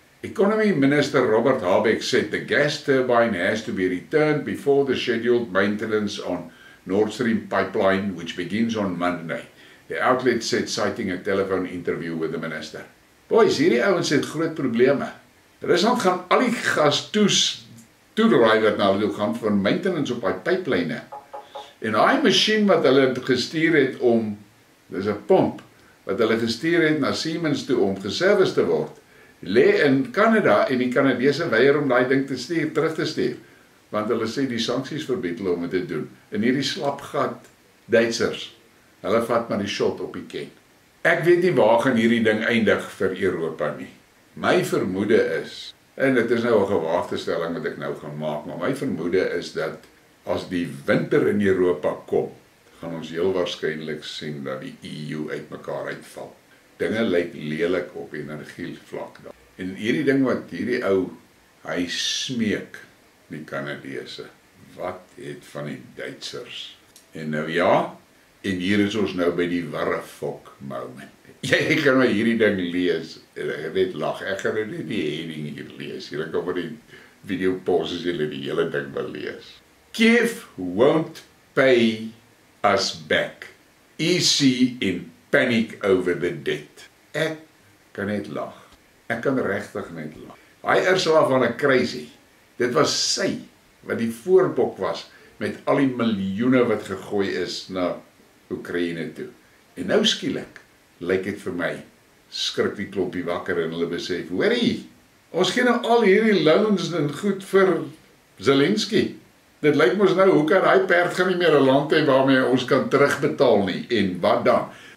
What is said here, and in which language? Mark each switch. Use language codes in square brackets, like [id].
[en] Economy Minister Robert Habeck said the gas turbine has to be returned before the scheduled maintenance on Nord Stream pipeline, which begins on Monday. The outlet said, citing a telephone interview with the minister. [af] Boys, hierdie ouens het groot probleme. Rusland gaan al die gas toedraai wat na hulle toe gaan vir maintenance op die pipeline. En die machine wat hulle gestuur het om, dit is 'n pomp, wat hulle gestuur het na Siemens toe om geserviced te word, lê in Canada en die Canadese weier om die ding terug te stuur. Want hulle sê die sanksies verbied hulle om dit te doen. En hierdie slapgat Duitsers, hulle vat maar die shot op die ken. Ek weet nie waar gaan hierdie ding eindig vir Europa nie. My vermoede is, en dit is nou 'n gewaagde stelling wat ek nou gaan maak, maar my vermoede is dat as die winter in Europa kom, gaan ons heel waarskynlik sien dat die EU uit mekaar uitval. Dinge lyk lelik op energievlak daar. En hierdie ding wat hierdie ou, hy smeek die Kanadese. Wat het van die Duitsers? En nou ja, en hier is ons nou by die Warrefok moment. Jy kan my hierdie ding lees, en ek net lag, ek gaan nou net die heading hier lees, jy kan maar die video pause as jy die hele ding wil lees. [en] Kiev won't pay us back. EC in panic over the debt. [af] Ek kan net lag. Ek kan regtig net lag. Hy is al van 'n crazy. Dit was sy, wat die voorbok was, met al die miljoene wat gegooi is na Oekraïne toe. En nou skielik, lyk het vir my, skrik die klompie wakker en hulle besef, hoorie, ons gee nou al hierdie loans en goed vir Zelensky. Dit lyk ons nou, hoe kan hy perd gaan nie meer een land hee waarmee ons kan terugbetaal nie, en wat dan?